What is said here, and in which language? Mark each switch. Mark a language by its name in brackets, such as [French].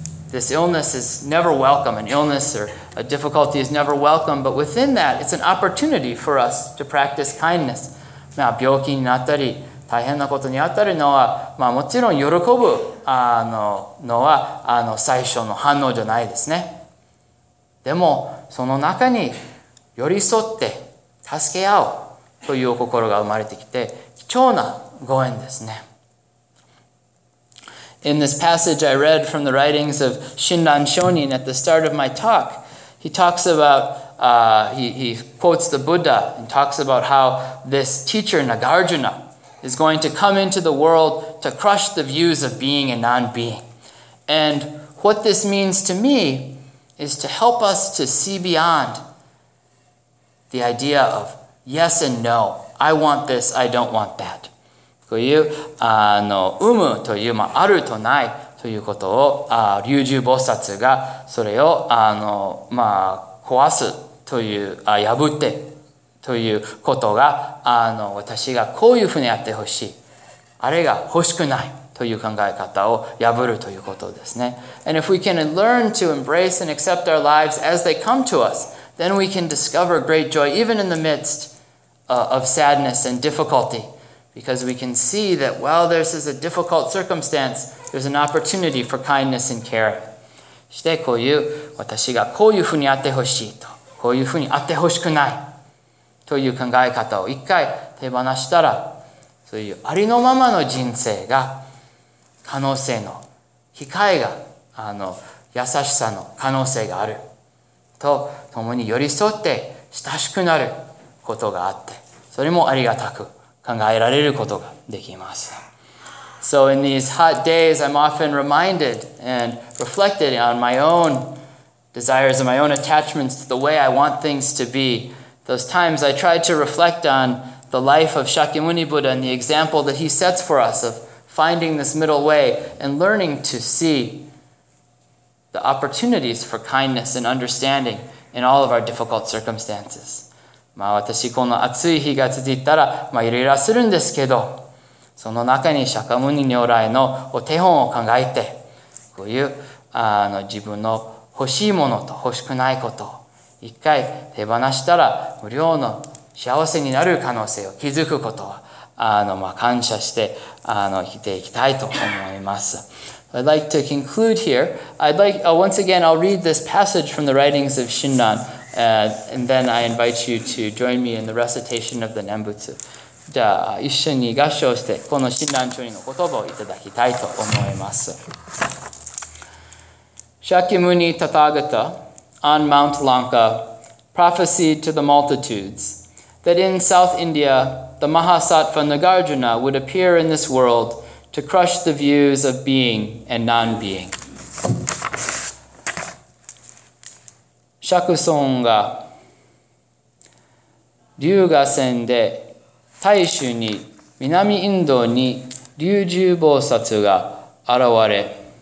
[English] This illness is never welcome. An illness or a difficulty is never welcome, but within that, it's an opportunity for us to practice kindness. [Japanese] まあ、病気になったり、大変なことにあたるのは、まあ、もちろん喜ぶのは最初の反応じゃないですね。でもその中に寄り添って助け合うというお心が生まれてきて、貴重なご縁ですね。 [English] In this passage I read from the writings of Shinran Shonin at the start of my talk, he talks about, he quotes the Buddha and talks about how this teacher Nagarjuna is going to come into the world to crush the views of being and non-being. And what this means to me is to help us to see beyond the idea of yes and no, I want this, I don't want that. [Japanese] という有無という、まあ、あるとないということを龍樹菩薩がそれをまあ、壊すという破ってということが私がこういうふうにやってほしい、あれが欲しくないという考え方を破るということですね。 [English] And if we can learn to embrace and accept our lives as they come to us, then we can discover great joy even in the midst of sadness and difficultyBecause we can see that while this is a difficult circumstance, there's an opportunity for kindness and care. [Japanese] してこういう、私がこういうふうにあってほしいと、こういうふうにあってほしくないという考え方を一回手放したら、そういうありのままの人生が可能性の、機会が、優しさの可能性があると、共に寄り添って親しくなることがあって、それもありがたく。考えられることができます。 [English] So in these hot days, I'm often reminded and reflected on my own desires and my own attachments to the way I want things to be. Those times I tried to reflect on the life of Shakyamuni Buddha and the example that he sets for us of finding this middle way and learning to see the opportunities for kindness and understanding in all of our difficult circumstances. [Japanese] まあ、私この暑い日が続いたら、まあ、イライラするんですけど、その中に釈迦牟尼如来のお手本を考えて、こういう自分の欲しいものと欲しくないことを一回手放したら無量の幸せになる可能性を築くことをまあ、感謝して生きていきたいと思います。 [English] I'd like to conclude here. Once again, I'll read this passage from the writings of Shinran, and then I invite you to join me in the recitation of the Nembutsu. [Japanese] じゃあ、一緒に合唱して、この親鸞聖人の言葉をいただきたいと思います。 [English] Shakyamuni Tathagata on Mount Lanka prophesied to the multitudes that in South India, the Mahasattva Nagarjuna would appear in this world. To crush the views of being and non-being. [Japanese] シャクソンが龍河川で大衆に南インドに龍樹菩薩が現れ、